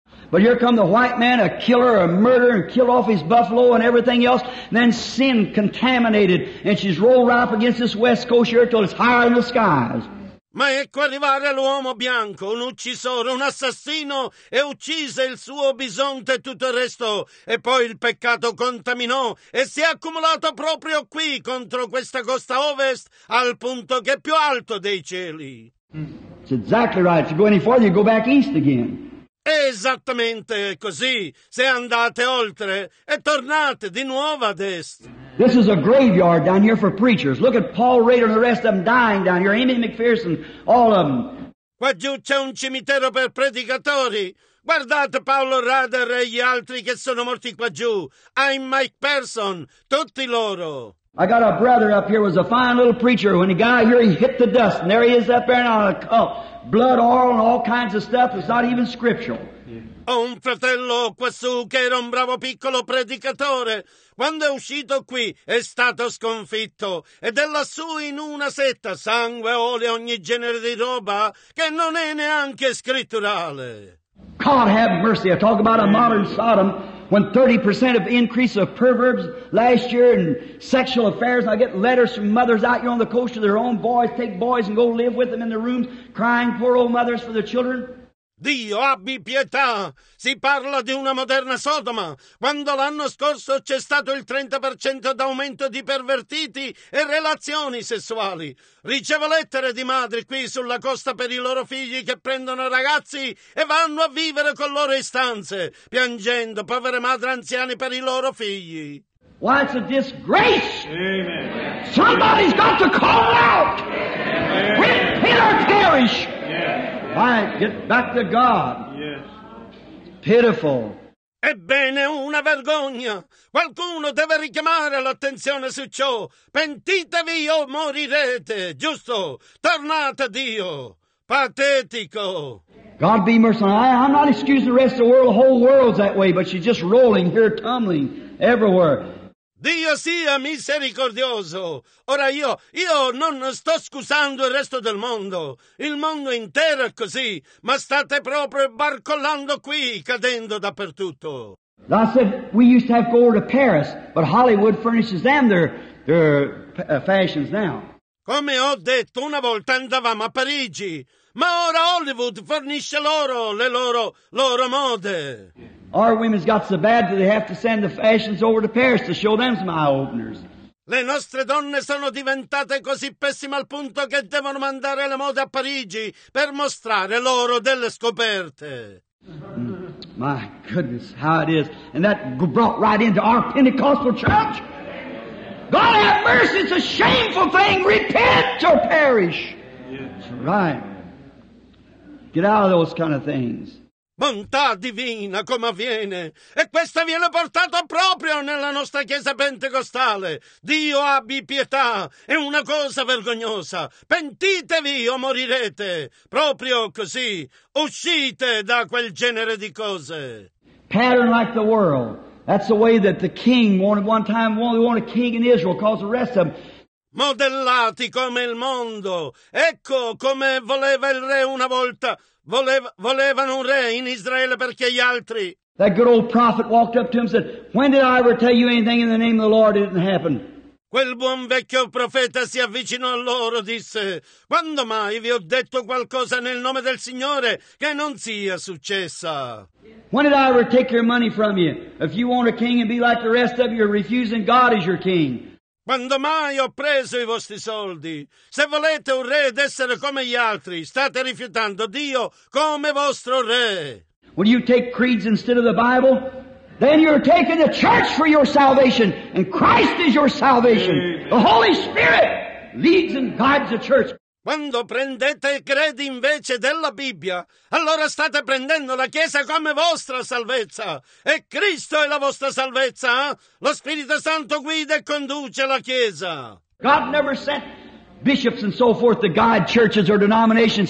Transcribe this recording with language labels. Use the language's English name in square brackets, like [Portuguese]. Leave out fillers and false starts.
[English] But here come the white man, a killer, a murderer, and kill off his buffalo and everything else, and then sin contaminated, and she's rolled right up against this west coast here till it's higher in the skies. [Italian] Ma ecco arrivare l'uomo bianco, un uccisore, un assassino, e uccise il suo bisonte e tutto il resto, e poi il peccato contaminò e si è accumulato proprio qui contro questa costa ovest al punto che è più alto dei cieli. [English] It's exactly right. If you go any further, you go back east again. [Italian] È esattamente così. Se andate oltre e tornate di nuovo ad est. [English] This is a graveyard down here for preachers. Look at Paul Rader and the rest of them dying down here. Amy McPherson, all of them. [Italian] Qua giù c'è un cimitero per predicatori. Guardate Paolo Rader e gli altri che sono morti qua giù. I'm Mike Pearson, tutti loro. [English] I got a brother up here who was a fine little preacher. When he got out here, he hit the dust. And there he is up there on a cup. Blood, oil, and all kinds of stuff. It's not even scriptural. [Italian] Ho un fratello quassù che era un bravo piccolo predicatore. Quando è uscito qui è stato sconfitto. Ed è lassù in una setta sangue, olio, ogni genere di roba che non è neanche scritturale. [English] God have mercy. I talk about a modern Sodom. When 30% of increase of perverts last year in sexual affairs, I get letters from mothers out here on the coast of their own boys, take boys and go live with them in their rooms, crying poor old mothers for their children. [Italian] Dio abbi pietà, si parla di una moderna Sodoma, quando l'anno scorso c'è stato il 30% d'aumento di pervertiti e relazioni sessuali. Ricevo lettere di madri qui sulla costa per i loro figli che prendono ragazzi e vanno a vivere con loro istanze, piangendo povere madri anziane per i loro figli. [English] Why, it's a disgrace! Amen. Somebody's got to call out! Amen. Repent or perish! Right, get back to God. Yes. Pitiful. [Italian] Ebbene, una vergogna. Qualcuno deve richiamare l'attenzione su ciò. Pentitevi o morirete. Giusto. Tornate a Dio. Patetico. [English] God be merciful. I'm not excusing the rest of the world. The whole world's that way, but she's just rolling here, tumbling everywhere. [Italian] Dio sia misericordioso. Ora io non sto scusando il resto del mondo. Il mondo intero è così, ma state proprio barcollando qui, cadendo dappertutto. [English] I said we used to have to go to Paris, but Hollywood furnishes them their fashions now. [Italian] Come ho detto, una volta andavamo a Parigi, ma ora Hollywood fornisce loro le loro mode. [English] Our women's got so bad that they have to send the fashions over to Paris to show them some eye-openers. [Italian] Le nostre donne sono diventate così pessime al punto che devono mandare le mode a Parigi per mostrare loro delle scoperte. [English] My goodness, how it is. And that brought right into our Pentecostal church. God have mercy, it's a shameful thing. Repent or perish. Yes. Right. Get out of those kind of things. [Italian] Bontà divina, come avviene. E questa viene portata proprio nella nostra chiesa pentecostale. Dio abbi pietà. È una cosa vergognosa. Pentitevi o morirete. Proprio così. Uscite da quel genere di cose. [English] Pattern like the world. That's the way that the king wanted one time. Well, they wanted a king in Israel because the rest of them. [Italian] Modellati come il mondo. Ecco come voleva il re una volta. Volevano un re in Israele perché gli altri. [English] That good old prophet walked up to him and said, when did I ever tell you anything in the name of the Lord? It didn't happen. [Italian] Quel buon vecchio profeta si avvicinò a loro e disse, quando mai vi ho detto qualcosa nel nome del Signore che non sia successa? [English] When did I ever take your money from you? If you want a king and be like the rest of you, you're refusing God as your king. [Italian] Quando mai ho preso i vostri soldi? Se volete un re ed essere come gli altri, state rifiutando Dio come vostro re. [English] When you take creeds instead of the Bible, then you're taking the church for your salvation, and Christ is your salvation. Amen. The Holy Spirit leads and guides the church. [Italian] Quando prendete credi invece della Bibbia, allora state prendendo la Chiesa come vostra salvezza. E Cristo è la vostra salvezza. Lo Spirito Santo guida e conduce la Chiesa. [English] God never sent bishops and so forth to guide churches or denominations.